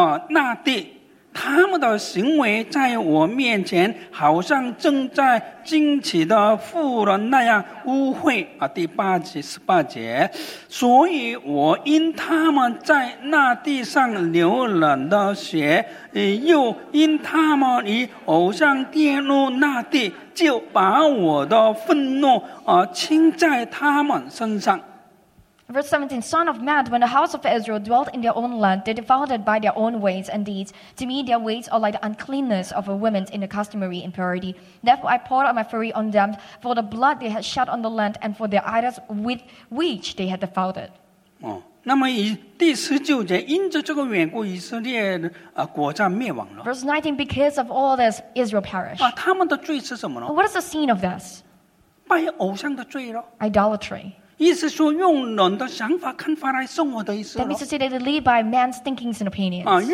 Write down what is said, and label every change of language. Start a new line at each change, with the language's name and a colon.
Chinese: 那地, 他们的行为在我面前好像正在惊奇的妇人那样污秽第八节十八节所以我因他们在那地上流人的血又因他们以偶像玷污那地就把我的愤怒倾在他们身上
English: Verse 17, Son of man, when the house of Israel dwelt in their own land, they defiled it by their own ways and deeds. To me, their ways are like the uncleanness of a woman in the customary impurity. Therefore, I poured out my fury on them for the blood they had shed on the land and for their idols with which they had defiled it.
Chinese: 那么第19节,因着这个缘故,以色列国家灭亡了。
English: Verse 19, because of all this, Israel perished.
Chinese: 他们的罪是什么呢?
English: What is the scene of this?
Chinese: 拜偶像的罪了。
English: Idolatry.
Chinese: 意思说用人的想法看法来生活的意思
English: That means to say that they live by man's thinkings and opinions